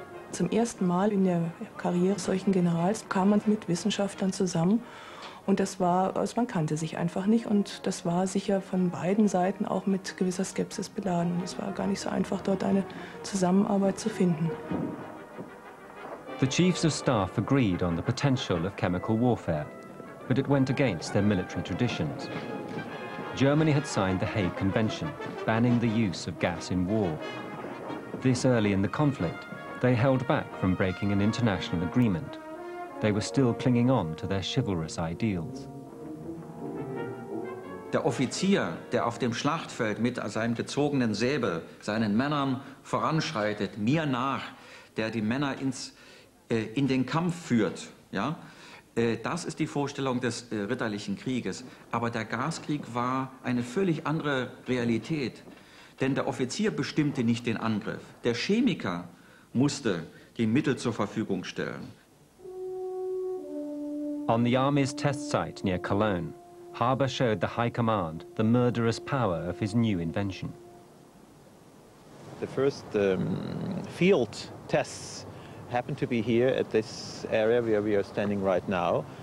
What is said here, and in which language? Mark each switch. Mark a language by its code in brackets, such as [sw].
[de] Zum ersten Mal in der Karriere solchen Generals kam man mit Wissenschaftlern zusammen. Und das war, also man kannte sich einfach nicht, und das war sicher von beiden Seiten auch mit gewisser Skepsis beladen. Und es war gar nicht so einfach, dort eine Zusammenarbeit zu finden. [en] The chiefs of staff agreed on the potential of chemical warfare, but it went against their military traditions. Germany had signed the Hague Convention, banning the use of gas in war. This early in the conflict, they held back from breaking an international agreement. They were still clinging on to their chivalrous ideals. [de] Der Offizier, der auf dem Schlachtfeld mit seinem gezogenen Säbel seinen Männern voranschreitet, mir nach, der die Männer ins in den Kampf führt, ja, das ist die Vorstellung des ritterlichen Krieges. Aber der Gaskrieg war eine völlig andere Realität, denn der Offizier bestimmte nicht den Angriff. Der Chemiker musste die Mittel zur Verfügung stellen. [en] On the army's test site near Cologne, Harber showed the high command the murderous power of his new invention. The first field tests happened to be here at this area where we are standing right now.